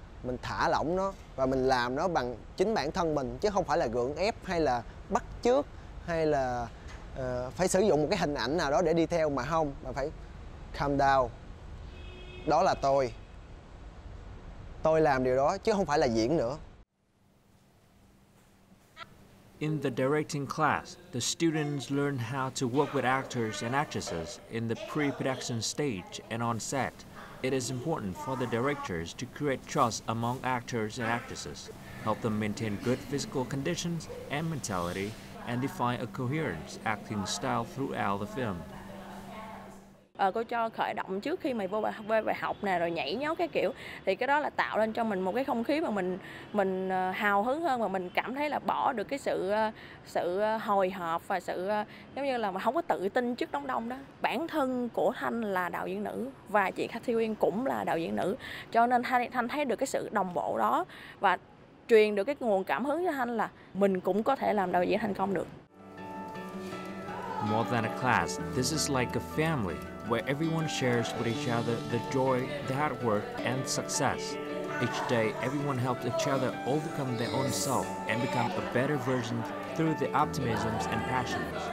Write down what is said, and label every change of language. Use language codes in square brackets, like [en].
[vi] Mình thả lỏng nó và mình làm nó bằng chính bản thân mình, chứ không phải là gượng ép hay là bắt chước hay là phải sử dụng một cái hình ảnh nào đó để đi theo, mà không, mà phải [en] calm down. [vi] Đó là tôi. Tôi làm điều đó chứ không phải là diễn nữa. [en] In the directing class, the students learn how to work with actors and actresses in the pre-production stage and on set. It is important for the directors to create trust among actors and actresses, help them maintain good physical conditions and mentality, and define a coherent acting style throughout the film. [vi] Cô cho khởi động trước khi mày vô bài học nè, rồi nhảy nhót cái kiểu, thì cái đó là tạo lên cho mình một cái không khí mà mình hào hứng hơn, mà mình cảm thấy là bỏ được cái sự hồi hộp và sự giống như là mà không có tự tin trước đám đông đó. Bản thân của Thanh là đạo diễn nữ và chị Kathy Nguyen cũng là đạo diễn nữ, cho nên Thanh thấy được cái sự đồng bộ đó và truyền được cái nguồn cảm hứng cho Thanh là mình cũng có thể làm đạo diễn thành công được. [en] More than a class, this is like a family where everyone shares with each other the joy, the hard work, and success. Each day, everyone helps each other overcome their own self and become a better version through their optimisms and passions.